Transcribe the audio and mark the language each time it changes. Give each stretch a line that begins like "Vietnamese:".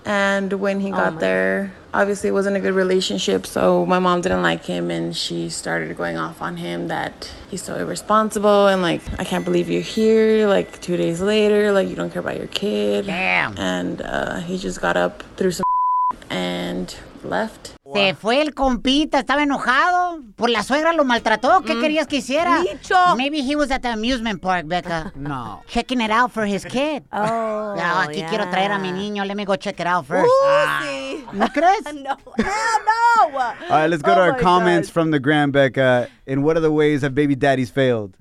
English: And when he got there, obviously it wasn't a good relationship, so my mom didn't like him, and she started going off on him that he's so irresponsible, and, like, I can't believe you're here, like, 2 days later, like, you don't care about your kid. Damn. And he just got up, threw some and left.
Spanish: Se fue el compita, estaba enojado. Por la suegra lo maltrató. ¿Qué querías que hiciera? Dicho.
English: Maybe he was at the amusement park, Becca. No. Checking it out for his kid. Oh,
Spanish: aquí
English: yeah.
Spanish: Quiero traer a mi niño.
English: Let me go check it out first.
Spanish: Sí. ¿No crees? No. No.
English: All right, let's go to our comments from the gram, Becca. In what are the ways have baby daddies failed?